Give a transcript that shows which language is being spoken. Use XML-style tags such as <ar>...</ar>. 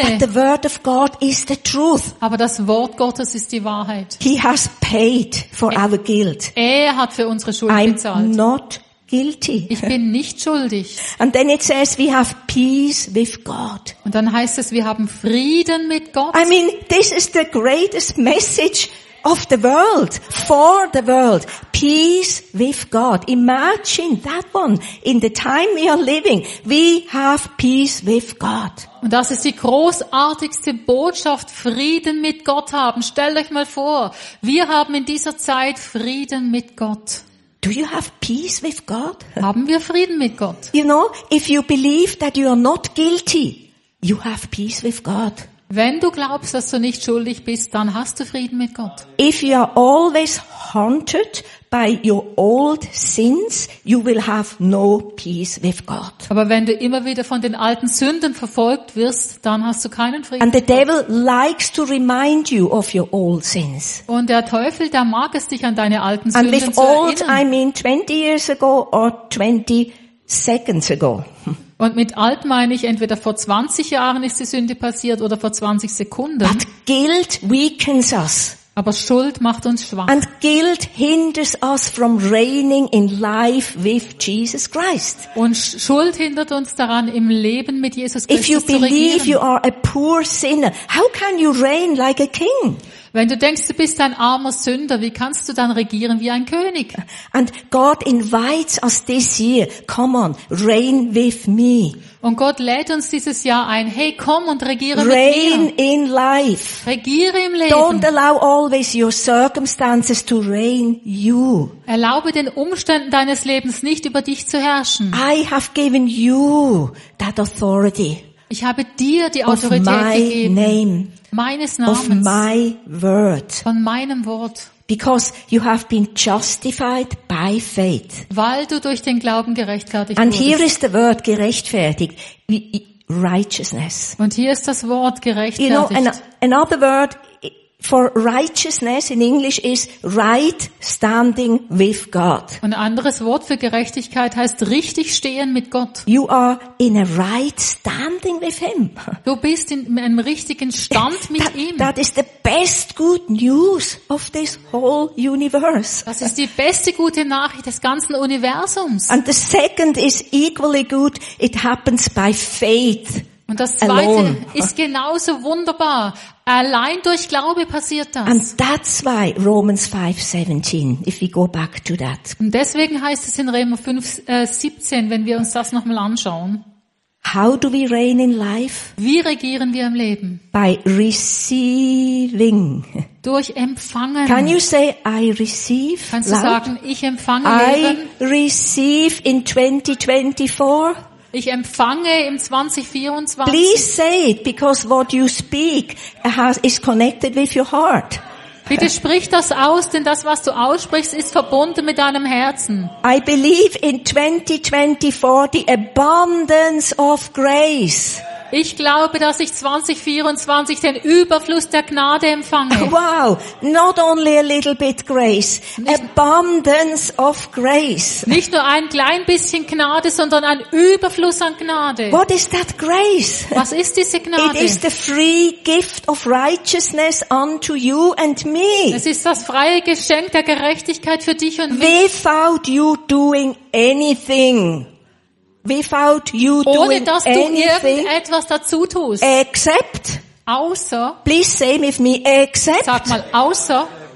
<en>But the word of God is the truth.</en> <de>Aber das Wort Gottes ist die Wahrheit.</de> <en>He has paid for our guilt.</en> <de>Er hat für unsere Schuld bezahlt.</de> <en>I'm not guilty.</en> <de>Ich bin nicht schuldig.</de> <en>And then it says we have peace with God.</en> <de>Und dann heißt es, wir haben Frieden mit Gott.</de> <en>I mean, this is the greatest message of the world, for the world, peace with God. Imagine that one. In the time we are living, we have peace with God.</en> <de>Und das ist die großartigste Botschaft, Frieden mit Gott haben. Stellt euch mal vor, wir haben in dieser Zeit Frieden mit Gott.</de> <en>Do you have peace with God?</en> <de>Haben wir Frieden mit Gott?</de> <en>You know, if you believe that you are not guilty, you have peace with God.</en> <de>Wenn du glaubst, dass du nicht schuldig bist, dann hast du Frieden mit Gott.</de> <en>If you are always haunted by your old sins, you will have no peace with God.</en> <de>Aber wenn du immer wieder von den alten Sünden verfolgt wirst, dann hast du keinen Frieden.</de> <en>And the devil likes to remind you of your old sins.</en> <de>Und der Teufel, der mag es, dich an deine alten Sünden zu erinnern.</de> <en>And with old, I mean 20 years ago or 20 seconds ago.</en> <de>Und mit alt meine ich, entweder vor 20 Jahren ist die Sünde passiert oder vor 20 Sekunden.</de> <en>But guilt weakens us.</en> <de>Aber Schuld macht uns schwach.</de> <en>And guilt hinders us from reigning in life with Jesus Christ.</en> <de>Und Schuld hindert uns daran, im Leben mit Jesus Christus zu regieren.</de> <en>If you believe you are a poor sinner, how can you reign like a king?</en> <de>Wenn du denkst, du bist ein armer Sünder, wie kannst du dann regieren wie ein König?</de> <en>And God invites us this year, come on, reign with me.</en> <de>Und Gott lädt uns dieses Jahr ein, hey, komm und regiere</de> <en>reign</en> <de>mit mir.</de> <en>Reign in life.</en> <de>Regiere im Leben.</de> <en>Don't allow always your circumstances to reign you.</en> <de>Erlaube den Umständen deines Lebens nicht über dich zu herrschen.</de> <en>I have given you that authority.</en> <de>Ich habe dir die Autorität gegeben.</de> <en>Name.</en> <de>Meines Namens.</de> <en>Of my word.</en> <de>Von meinem Wort.</de> <en>Because you have been justified by faith.</en> <de>Weil du durch den Glauben gerechtfertigt</de> <en>And</en> <de>wurdest.</de> <en>Here is the word gerechtfertigt. Righteousness.</en> <de>Und hier ist das Wort gerechtfertigt.</de> <en>You know, another word for righteousness in English is right standing with God.</en> <de>Und ein anderes Wort für Gerechtigkeit heißt richtig stehen mit Gott.</de> <en>You are in a right standing with him.</en> <de>Du bist in einem richtigen Stand mit ihm.</de> <en>That is the best good news of this whole universe.</en> <de>Das ist die beste gute Nachricht des ganzen Universums.</de> <en>And the second is equally good. It happens by faith.</en> <de>Und das Zweite</de> <en>alone.</en> <de>Ist genauso wunderbar. Allein durch Glaube passiert das.</de> <en>And that's why Romans 5:17, if we go back to that.</en> <de>Und deswegen heißt es in Römer 5:17, wenn wir uns das nochmal anschauen.</de> <en>How do we reign in life?</en> <de>Wie regieren wir im Leben?</de> <en>By receiving.</en> <de>Durch Empfangen.</de> <en>Can you say I receive?</en> <de>Kannst du sagen, ich empfange Leben?</de> <en>I receive in 2024.</en> <de>Ich empfange im 2024.</de> <en>Please say it, because what you speak is connected with your heart.</en> <de>Bitte sprich das aus, denn das, was du aussprichst, ist verbunden mit deinem Herzen.</de> <en>I believe in 2024 the abundance of grace.</en> <de>Ich glaube, dass ich 2024 den Überfluss der Gnade empfange.</de> <en>Wow, not only a little bit grace, abundance of grace.</en> <de>Nicht nur ein klein bisschen Gnade, sondern ein Überfluss an Gnade.</de> <en>What is that grace?</en> <de>Was ist diese Gnade?</de> <en>It is the free gift of righteousness unto you and me.</en> <de>Es ist das freie Geschenk der Gerechtigkeit für dich und mich.</de> <en>Without you doing anything. Without you</en> <de>ohne</de> <en>doing</en> <de>dass du</de> <en>anything,</en> <de>irgendetwas dazu tust.</de> <en>Except.</en> <de>Außer.</de> <en>Please say with me, except.</en> <de>Sag mal, außer.</de>